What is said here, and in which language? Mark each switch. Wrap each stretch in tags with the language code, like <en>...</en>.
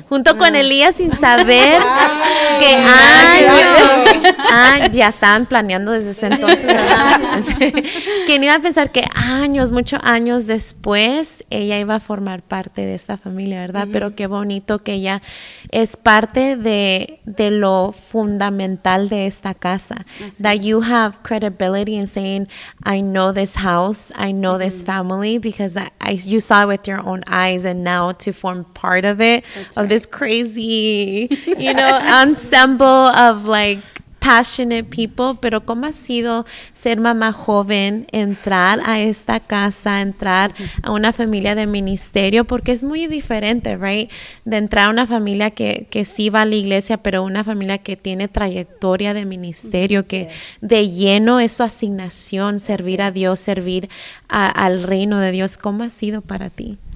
<es>Junto con Elías sin saber que años ya estaban planeando desde ese entonces. ¿Quién iba a pensar que años, muchos años después, ella iba a formar parte de esta familia, ¿verdad? Mm-hmm. Pero qué bonito que ella es parte de lo fundamental de esta casa. Así.</es> <en>That you have credibility in saying, I know this house, I know mm-hmm. this family, because I you saw it with your own eyes, and now to form part of it, this crazy, you know, ensemble of like passionate people.</en> <es>Pero ¿cómo ha sido ser mamá joven, entrar a esta casa, entrar mm-hmm. a una familia de ministerio? Porque es muy diferente, right? De entrar a una familia que sí va a la iglesia, pero una familia que tiene trayectoria de ministerio, mm-hmm. que de lleno es su asignación, servir a Dios, servir al reino de Dios. ¿Cómo ha sido para ti?</es>